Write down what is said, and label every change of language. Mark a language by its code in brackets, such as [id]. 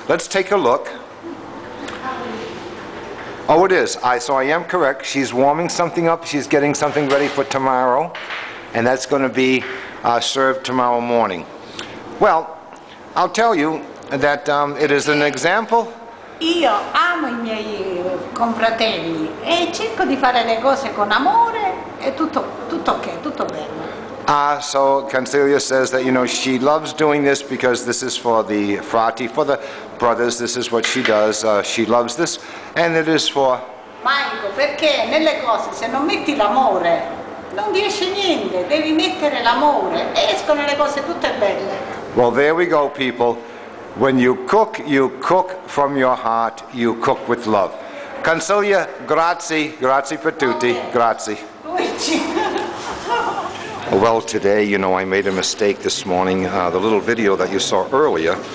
[en] Let's take a look. Oh, it is. I am correct. She's warming something up. She's getting something ready for tomorrow. And that's going to be served tomorrow morning. Well, I'll tell you, that it is an example. [it] Io amo I miei confratelli e cerco di fare le cose con amore e tutto ok, tutto bene. [en] Ah, so Consilia says that, you know, she loves doing this because this is for the frati, for the brothers. This is what she does. She loves this, and it is for. [it] Maico, perché nelle cose se non metti l'amore non riesce niente. Devi mettere l'amore e escono le cose tutte belle. [en] Well, there we go, people. When you cook from your heart, you cook with love. [it] Consilia, grazie, grazie per tutti, grazie. [en] Well, today, you know, I made a mistake this morning. The little video that you saw earlier,